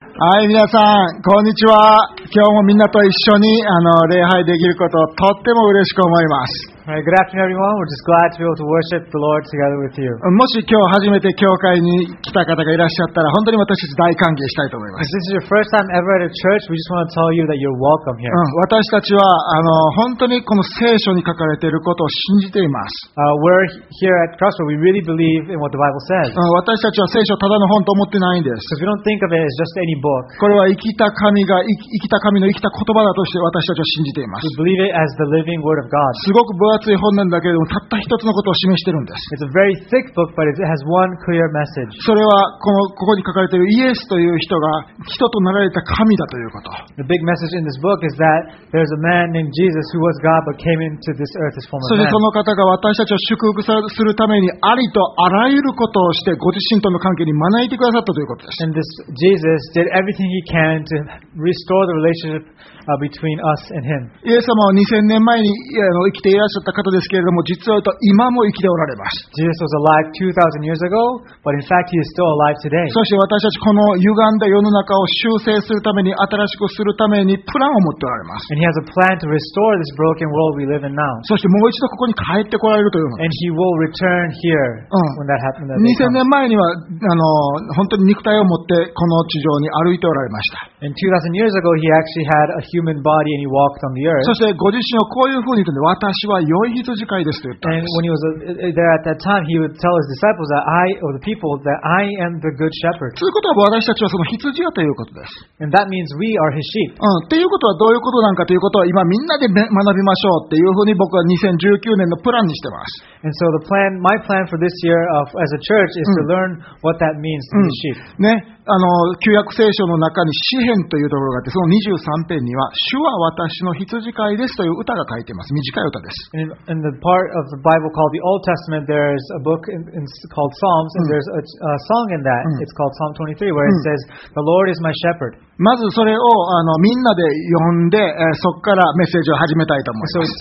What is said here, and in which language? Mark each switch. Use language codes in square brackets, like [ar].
[ja] はい、皆さんこんにちは。今日もみんなと一緒に礼拝できることをとっても嬉しく思います。 [en] Good afternoon, everyone. We're just glad to be able to worship the Lord together with you. [ja] もし今日初めて教会に来た方がいらっしゃったら、本当に私たち大歓迎したいと思います。 [en] If this is your first time ever at a church, we just want to tell you that you're welcome here. [ja] 私たちは本当にこの聖書に書かれていることを信じています。 [en] We're here at Crossroads. We really believe in what the Bible says. [ja] 私たちは聖書ただの本と思ってないんです。 [en] So if you don't think of it as just any book, [ja] これは生きた神の生きた言葉だとして私たちは信じています。 [en] We believe it as the living word of God. [ja] すごく分厚い本なんだけれども、たった一つのことを示しているんです。 [en] It's a very thick book, but it has one clear message. [ja] それはここに書かれているイエスという人が人となられた神だということ。 [en] The big message in this book is that there's a man named Jesus who was God but came into this earth as form of man. [ja] そしてその方が私たちを祝福するためにありとあらゆることをしてご自身との関係に招いてくださったということです。 [en] And this Jesus did everything he can to restore the relationship between us and him. [ja] イエス様は2000年前に生きていらっしゃった方ですけれども、実は今も生きておられます。 [en] Jesus was alive 2000 years ago, but in fact he is still alive today. [ja] そして私たちこの歪んだ世の中を修正するために、新しくするためにプランを持っておられます。 [en] And he has a plan to restore this broken world we live in now. [ja] そしてもう一度ここに帰ってこられるというのです。 [en] And he will return here when that happened. [ja] 2000 年前には本当に肉体を持ってこの地上に歩いておられました。 [en] And 2000 years ago he actually had a human body and he walked on the earth. [ja] そしてご自身をこういうふうに言って、私は良い羊飼いですと言ったんです。 [en] And when he was there at that time, he would tell his disciples that I, or the people, that I am the good shepherd. [ja] ということは私たちはその羊だということです。 [en] And that means we are his sheep. [ja] ということはどういうことなんかということは、今みんなで学びましょうっていうふうに僕は2019年のプランにしてます。 [en] And so the plan, my plan for this year of, as a church is to learn what that means to be his sheep. [ja] ね、旧約聖書の中に詩編というところがあって、その23編には主は私の羊飼いですという歌が書いています。短い歌です。 [en] in the part of the Bible called the Old Testament, there is a book called Psalms, and there's a song in that. It's called Psalm 23, where it says, The Lord is my shepherd. [ja] まずそれをみんなで読んで、そこからメッセージを始めたいと思います。